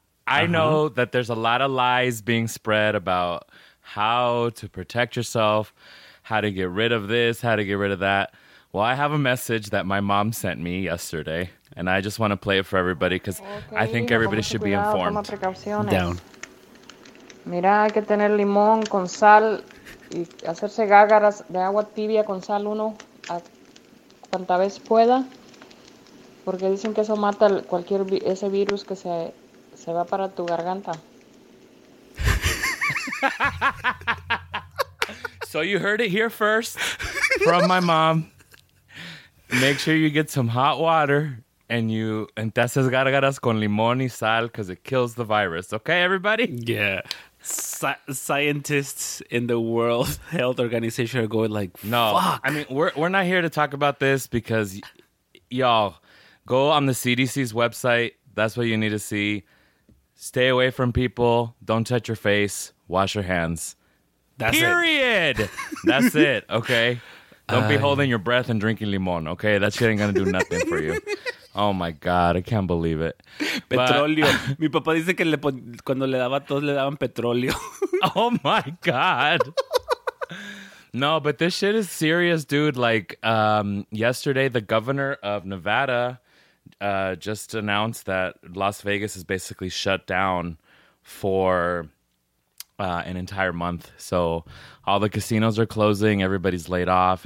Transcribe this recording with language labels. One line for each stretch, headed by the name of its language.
English: I know that there's a lot of lies being spread about how to protect yourself, how to get rid of this, how to get rid of that. Well, I have a message that my mom sent me yesterday, and I just want to play it for everybody because I think everybody should be informed. Down.
Spanish: Mira, hay que tener limón con sal y hacerse gárgaras de agua tibia con sal uno a cuanta vez pueda, porque dicen que eso mata cualquier ese virus que se va para tu garganta.
English: So you heard it here first from my mom. Make sure you get some hot water and
Spanish: te haces gárgaras con limón y sal
English: because it kills the virus. Okay, everybody? Yeah. Scientists in the World Health Organization are going like, no. Fuck. I mean, we're not here to talk about this because y'all go on the CDC's website. That's what you need to see. Stay away from people. Don't touch your face. Wash your hands. That's period. It. That's it. Okay. Don't be holding your breath and drinking limon. Okay. That shit ain't gonna do nothing for you. Oh my God, I can't believe it.
Spanish: Petróleo. Mi papá dice que cuando le daba tos le daban petróleo.
English: Oh my God. No, but this shit is serious, dude. Like, yesterday, the governor of Nevada just announced that Las Vegas is basically shut down for an entire month. So all the casinos are closing. Everybody's laid off.